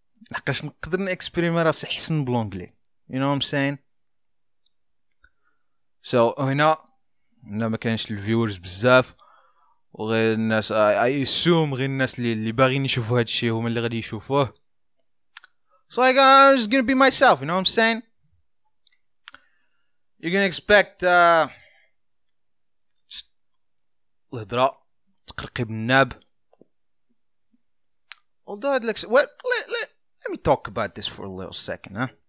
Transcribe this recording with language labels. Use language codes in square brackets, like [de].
[ar] لحقاش نقدر نكسبيريمي راسي حسن بلونجلي, [en] you know what I'm saying? [ar] So هنا ما كانش الفيورز بزاف وغير الناس, [en] I assume [ar] غير الناس اللي باغين يشوفوا هاد الشيء هما اللي غادي يشوفوه. [en] So like, I'm just gonna be myself, you know what I'm saying? You're gonna expect [ar] الهضرة تقرقي بالناب. [en] Although I'd like, let me talk about this for a little second, huh?